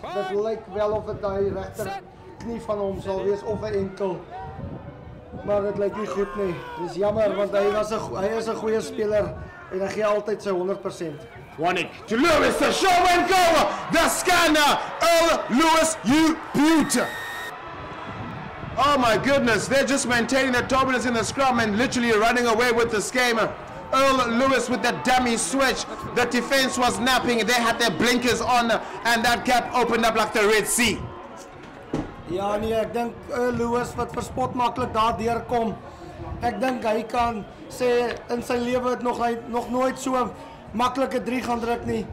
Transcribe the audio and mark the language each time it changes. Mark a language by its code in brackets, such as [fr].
[af] Dit lyk wel of dit hy regter knie van hom sal wees of 'n enkel. Maar dit lyk nie goed nie. Dis jammer want hy was 'n hy is 'n goeie speler en hy gee altyd sy 100%. [en] Wanik to Lewis, the show and go, the scanner, Earl Lewis, you beaut. Oh my goodness, they're just maintaining the dominance in the scrum and literally running away with this game. Earl Lewis with that dummy switch, the defense was napping, they had their blinkers on and that gap opened up like the Red Sea. [af] Ja nee, ek dink Earl Lewis wat verspot maklik daar deurkom. Ek dink hy kan sê in sy lewe het nog nooit so maklike 3 gaan druk nie.